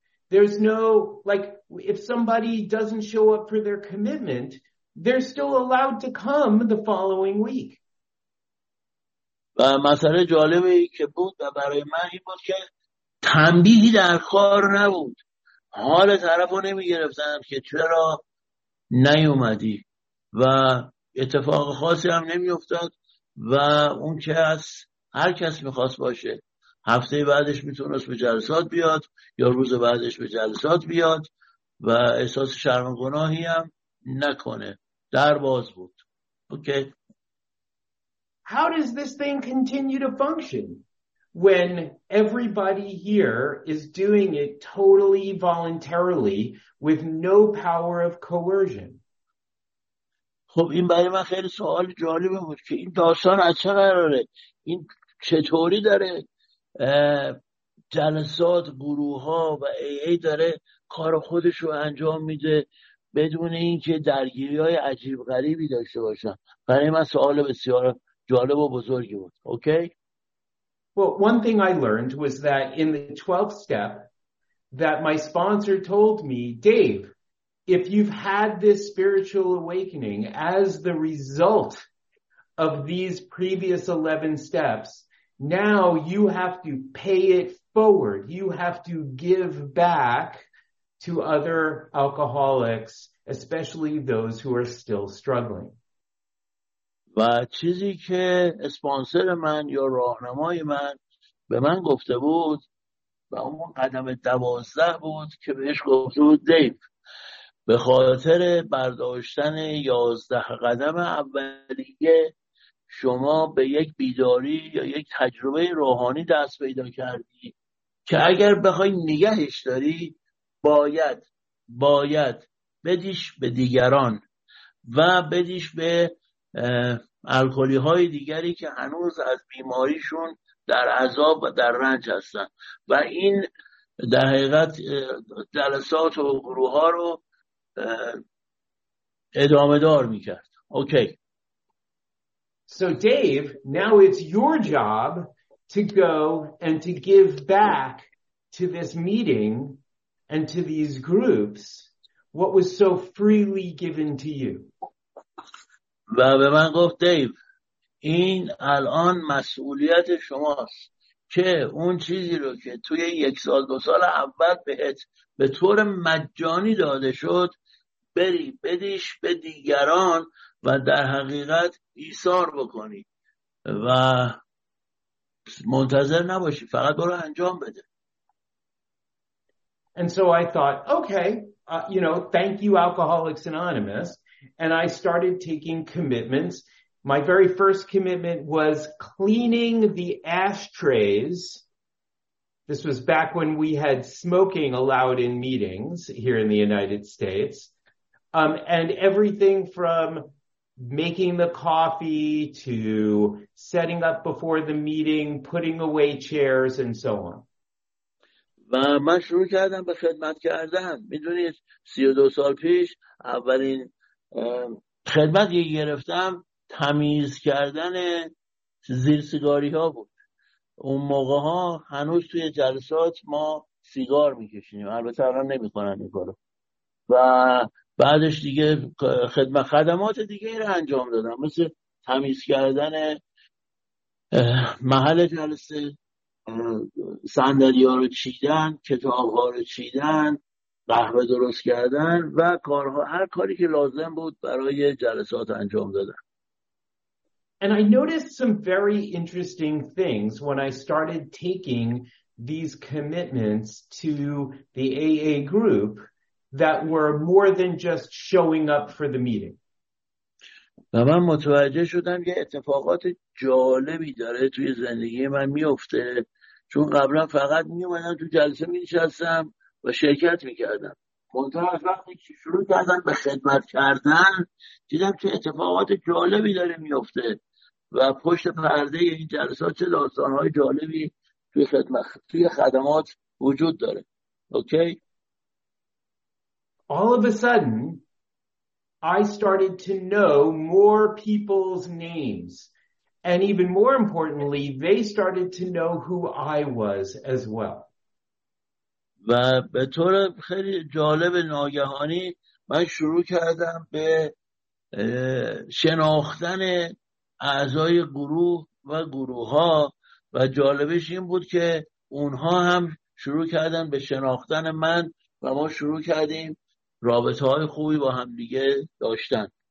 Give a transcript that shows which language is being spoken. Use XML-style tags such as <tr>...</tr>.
<en>There's no, like, if somebody doesn't show up for their commitment, they're still allowed to come the following week.</en> <fa>و مسئله جالبی که بود و برای من این بود که تنبیهی در کار نبود. حال طرف رو نمی گرفتم که چرا نیومدی و اتفاق خاصی هم نمی افتاد و اون کس هر کس می خواست باشه هفته بعدش می تونست به جلسات بیاد یا روز بعدش به جلسات بیاد و احساس شرم و گناهی هم نکنه. در باز بود. اوکی.</fa> <en>How does this thing continue to function when everybody here is doing it totally voluntarily with no power of coercion?</en> <fa>خب این برای من خیلی سوال جالبه بود که این داستان از چه قراره؟ این چطوری داره جلسات، گروه‌ها و AA داره کار خودش رو انجام میده بدون اینکه درگیری‌های عجیب غریبی داشته باشن؟ برای من سوال بسیار جالب و بزرگی بود.</fa> <en>Okay. Well, one thing I learned was that in the 12th step that my sponsor told me, Dave, if you've had this spiritual awakening as the result of these previous 11 steps, now you have to pay it forward. You have to give back to other alcoholics, especially those who are still struggling.</en> <fa>و چیزی که اسپانسر من یا راهنمای من به من گفته بود و اون قدم 12 بود که بهش گفته بود دیو به خاطر برداشتن 11 قدم اولیه شما به یک بیداری یا یک تجربه روحانی دست پیدا کردی که اگر بخوای نگهش داری باید بدیش به دیگران و بدیش به الکلی های دیگری که هنوز از بیماریشون در عذاب و در رنج هستن و این در حقیقت جلسات و گروه ها رو ادامه دار میکرد.</fa> <en>Okay. So Dave, now it's your job to go and to give back to this meeting and to these groups what was so freely given to you.</en> <fa>و به من گفت دیو این الان مسئولیت شماست که اون چیزی رو که توی یک سال دو سال اول بهت به طور مجانی داده شد بری بدیش به دیگران و در حقیقت ایثار بکنی و منتظر نباشی فقط برو انجام بده.</fa> <en>And so I thought, okay, you know, thank you, Alcoholics Anonymous. And I started taking commitments. My very first commitment was cleaning the ashtrays This was back when we had smoking allowed in meetings here in the United States. And everything from making the coffee to setting up before the meeting, putting away chairs and so on.</en> <fa>و من شروع کردم به خدمت کردن. میدونید 32 سال پیش اولین خدمتی که گرفتم تمیز کردن زیر سیگاری ها بود. اون موقع ها هنوز توی جلسات ما سیگار میکشیم. البته الان نمی کنن این کارو. و بعدش دیگه خدمات دیگه رو انجام دادم. مثل تمیز کردن محل جلسه. صندلی ها رو چیدن، کتاب ها رو چیدن، قهوه درست کردن و کارها هر کاری که لازم بود برای جلسات انجام دادن.</fa> <en>And I noticed some very interesting things when I started taking these commitments to the AA group that were more than just showing up for the meeting.</en> <fa>و من متوجه شدم یه اتفاقات جالبی داره توی زندگی من میفته. چون قبلا فقط میومدم تو جلسه مینشستم و شرکت میکردم. منتها از وقتی که شروع کردم به خدمت کردن دیدم چه اتفاقات جالبی داره میفته و پشت پرده این جلسات چه داستانهای جالبی توی خدمات وجود داره.</fa> <en>Okay? All of a sudden I started to know more people's names. And even more importantly, they started to know who I was as well.</en> <fa>و به طور خیلی جالب ناگهانی من شروع کردم به شناختن اعضای گروه و گروه ها و جالبش این بود که اونها هم شروع کردن به شناختن من و ما شروع کردیم رابطه های خوبی با هم دیگه داشتن.</fa>